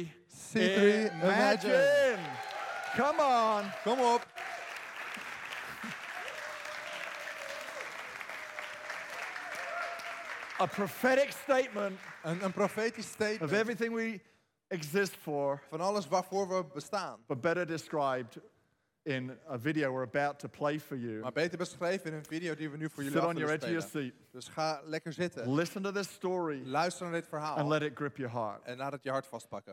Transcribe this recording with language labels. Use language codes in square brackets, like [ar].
[en] C3 Imagine. Come on. [nl] Kom op. [en] A prophetic statement. [nl] Een profetisch statement. [en] Of everything we exist for. [nl] Van alles waarvoor we bestaan. [en] But better described in a video we're about to play for you. [nl] Maar beter beschreven in een video die we nu voor jullie [en] spelen. Sit on your edge of your seat. [nl] Dus ga lekker zitten. [en] Listen to this story. [nl] Luister naar dit verhaal. [en] And let it grip your heart. [nl] En laat het je hart vastpakken.